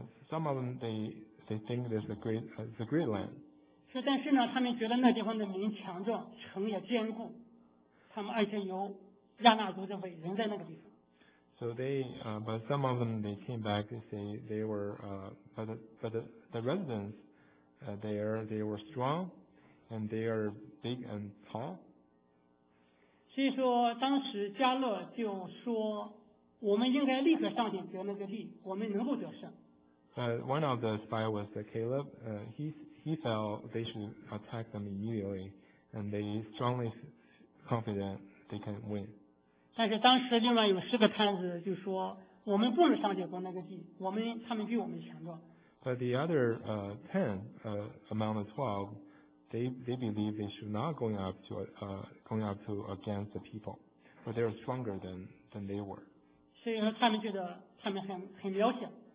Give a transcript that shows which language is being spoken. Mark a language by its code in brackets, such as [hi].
[en] Some of them they think this is a great land. [zh] 是，但是呢，他们觉得那地方的民强壮，城也坚固，他们而且有亚纳族的伟人在那个地方。 [en] So they but some of them they came back and say they were but the residents there they were strong and they are big and tall. [zh] 所以说，当时迦勒就说，我们应该立刻上前得那个地，我们能够得胜。 [en] One of the spies was Caleb. He felt they should attack them immediately, and they strongly confident they can win. [zh] 但是当时另外有十个探子就说，我们不能上前攻那个地，他们比我们强壮。 [en] But the other ten, among the 12, they believe they should not going up to against the people, but they are stronger than they were. [zh] 所以说他们觉得他们很渺小。